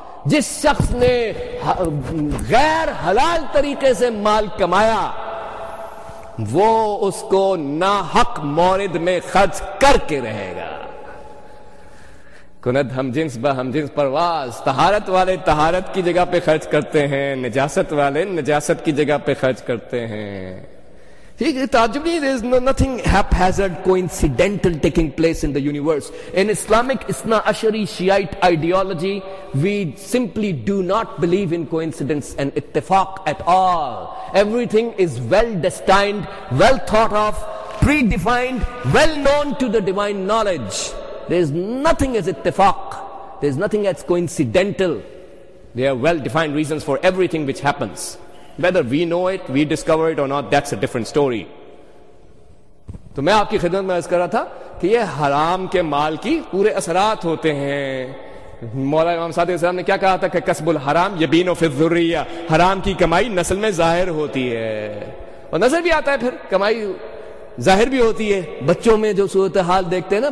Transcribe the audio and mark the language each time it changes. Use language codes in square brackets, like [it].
[ur] جس شخص نے غیر حلال طریقے سے مال کمایا وہ اس کو ناحق مورد میں خرچ کر کے رہے گا. [fa] کند ہم جنس بہ ہم جنس پرواز, [ur] طہارت والے طہارت کی جگہ پہ خرچ کرتے ہیں, نجاست والے نجاست کی جگہ پہ خرچ کرتے ہیں. تعجب نہیں, [en] there is nothing haphazard coincidental taking place in the universe. In Islamic Isna Ashari Shiite ideology we simply do not believe in coincidence and ittifaq at all. Everything is well destined, well thought of, predefined, well known to the divine knowledge. There is nothing as ittifaq, there is nothing as coincidental. There are well defined reasons for everything which happens. Whether we know it, we discover it or not, that's a different story. [ur] تو میں آپ کی خدمت میں عرض کر رہا تھا کہ یہ حرام کے مال کی پورے اثرات ہوتے ہیں. مولا امام صادق علیہ السلام نے کیا کہا تھا کہ [ar] کسب الحرام یبین فی الذریہ, [ur] حرام کی کمائی نسل میں ظاہر ہوتی ہے. اور نظر بھی آتا ہے پھر, کمائی ظاہر بھی ہوتی ہے بچوں میں جو صورتحال دیکھتے ہیں نا.